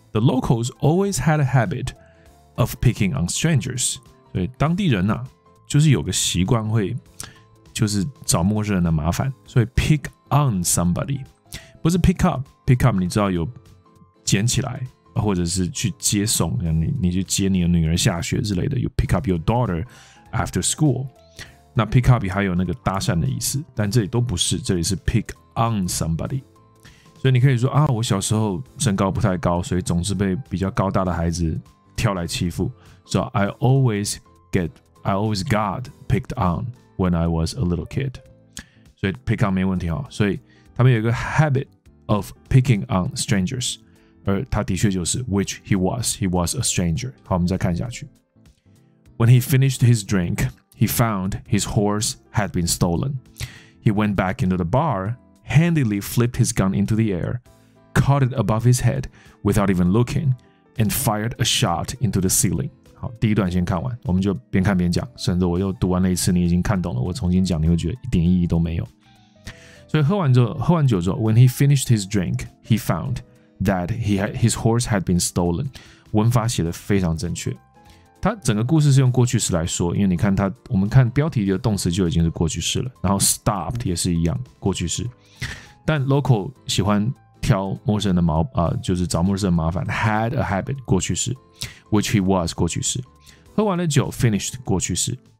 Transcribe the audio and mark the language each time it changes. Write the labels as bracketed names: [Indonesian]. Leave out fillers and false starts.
[English] The locals always had a habit of picking on strangers. [Chinese] 所以当地人啊，就是有个习惯会，就是找陌生人的麻烦。所以 [English] pick on somebody， [Chinese] 不是 pick up。 pick up 你知道有捡起来，或者是去接送，你去接你的女儿下学之类的。 [English] You pick up your daughter after school。 [Chinese] 那 pick up 还有那个搭讪的意思，但这里都不是，这里是 [English] pick on somebody。 [Chinese] 所以你可以说啊，我小时候身高不太高，所以总是被比较高大的孩子挑来欺负。 [English] So I always got picked on when I was a little kid. [Chinese] 所以 pick on 没问题哦。所以他们有一个 [English] habit of picking on strangers， [Chinese] 而他的确就是 [English] which he was a stranger。 [Chinese] 好，我们再看下去。 [English] When he finished his drink, he found his horse had been stolen. He went back into the bar. Handily flipped his gun into the air, caught it above his head without even looking, and fired a shot into the ceiling. [Chinese] 好，第一段先看完，我们就边看边讲。甚至我又读完了一次，你已经看懂了，我重新讲，你会觉得一点意义都没有。所以喝完酒之后 [English] ，when he finished his drink, he found that his horse had been stolen. [Chinese] 文法写的非常正确。他整个故事是用过去式来说，因为你看他，我们看标题的动词就已经是过去式了，然后 stopped 也是一样过去式。但 local 喜欢挑陌生的毛、就是找陌生的麻烦 ， [English] had a habit [Chinese] 过去式 ，which he was 过去式，喝完了酒 finished 过去式。